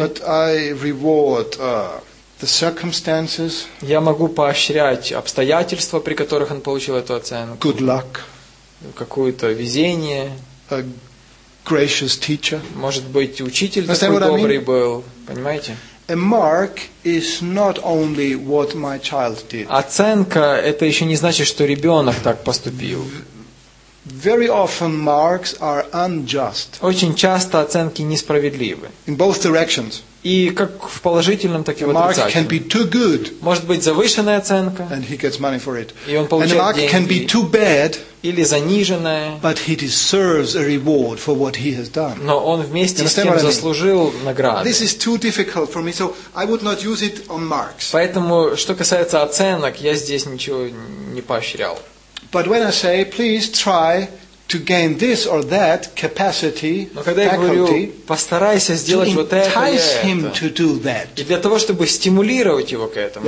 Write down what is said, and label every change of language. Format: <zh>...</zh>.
<en>But I reward the circumstances.</en> <ru>Я могу поощрять обстоятельства, при которых он получил эту оценку.</ru> <en>Good luck.</en> <ru>Какое-то везение.</ru> <en>A gracious teacher.</en> <ru>Может быть, учитель такой добрый был. Понимаете?</ru> <en>A mark is not only what my child did.</en> <ru>Оценка – это еще не значит, что ребенок так поступил.</ru> <en>Very often marks are unjust.</en> <ru>Очень часто оценки несправедливы.</ru> <en>In both directions.</en> <ru>И как в положительном, так и в отрицательном.</ru> <en>Mark can be too good.</en> <ru>Может быть завышенная оценка.</ru> <en>And he gets money for it.</en> <ru>И он получает деньги.</ru> <en>And mark can be too bad.</en> <ru>Или заниженная.</ru> <en>But he deserves a reward for what he has done.</en> <ru>Но он вместе с тем заслужил награду.</ru> <en>This is too difficult for me, so I would not use it on marks.</en> <ru>Поэтому, что касается оценок, я здесь ничего не поощрял.</ru> <en>But when I say, please try to gain this or that capacity,</en> <ru>постарайся сделать вот это.</ru> <en>Entice him to do that.</en> <ru>И для того, чтобы стимулировать его к этому.</ru>